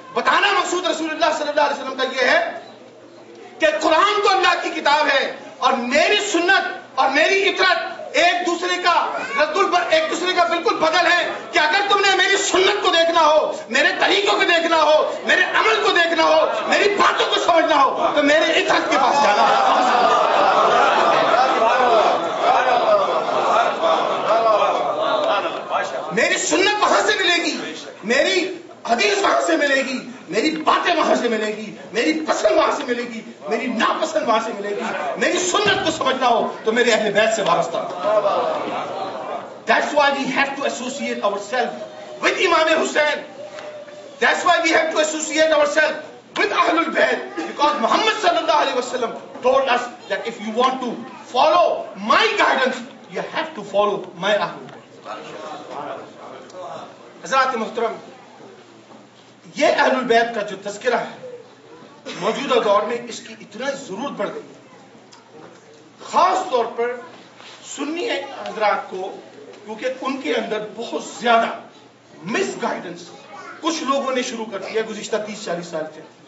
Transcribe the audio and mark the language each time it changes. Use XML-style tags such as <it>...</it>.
<ur>بتانا مقصود رسول اللہ صلی اللہ علیہ وسلم کا یہ ہے کہ قرآن تو اللہ کی کتاب ہے اور میری سنت اور میری عطرت ایک دوسرے کا ایک دوسرے کا بالکل بدل ہے، کہ اگر تم نے میری سنت کو دیکھنا ہو، میرے طریقوں کو دیکھنا ہو، میرے عمل کو دیکھنا ہو، میری باتوں کو سمجھنا ہو تو میرے عطرت کے پاس جانا. میری سنت وہاں سے ملے گی، میری حدیث وہاں سے ملے گی، میری باتیں وہاں سے ملے گی، میری پسند وہاں سے ملے گی، میری ناپسند وہاں سے ملے گی، میری سنت کو سمجھنا ہو تو میرے اہل بیت سے وابستہ.</ur> <en>That's why we have to associate ourselves with Imam Hussain. That's why we have to associate ourselves with Ahlul Bayt. Because Muhammad sallallahu alayhi wasallam told us that if you want to follow my guidance, you have to follow my Ahlul Bayt.</en> <ur>حضرات محترم، یہ اہل البیت کا جو تذکرہ ہے موجودہ دور میں اس کی اتنا ضرورت بڑھ گئی، خاص طور پر سنی حضرات کو، کیونکہ ان کے اندر بہت زیادہ مس گائیڈنس کچھ لوگوں نے شروع کر دیا گزشتہ 30-40 سال سے.</ur>